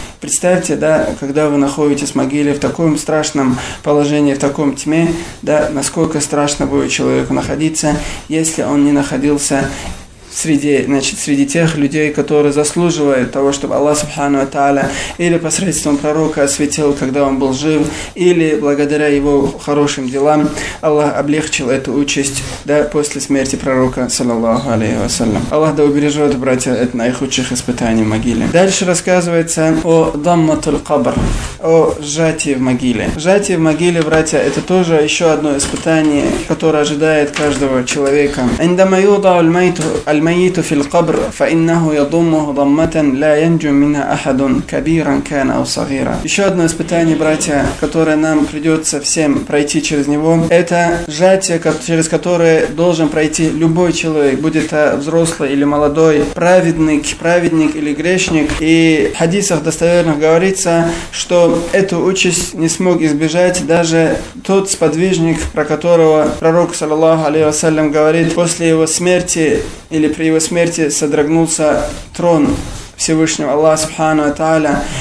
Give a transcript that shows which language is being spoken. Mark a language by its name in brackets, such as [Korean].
[Russian] Представьте, да, когда вы находитесь в могиле в таком страшном положении, в таком тьме, да, насколько страшно будет человеку находиться, если он не находился среди, значит, среди тех людей, которые заслуживают того, чтобы Аллах Субхану ва Тааля или посредством пророка осветил, когда он был жив, или благодаря его хорошим делам Аллах облегчил эту участь, да, после смерти пророка, саллаллаху алейхи ва саллям. Аллах да убережет, братья, от наихудших испытаний в могиле. Дальше рассказывается о [Arabic] даммату кабр, [Russian] о сжатии в могиле. Сжатие в могиле, братья, это тоже еще одно испытание, которое ожидает каждого человека. [Arabic] «Индама юда аль майту الميت في القبر فإنه يضمه ضمة لا ينجو منها أحد كبيرا كان أو صغيرا». [Russian] Еще одно испытание, братья, которое нам придется всем пройти через него, это сжатие, через которое должен пройти любой человек, будь это взрослый или молодой, праведник или грешник. И в хадисах достоверных говорится, что эту участь не смог избежать даже тот сподвижник, про которого пророк, саллаллаху алейхи ва саллям, говорит: «После его смерти или при его смерти содрогнулся трон Всевышнего Аллаха Субхану ва Тааля.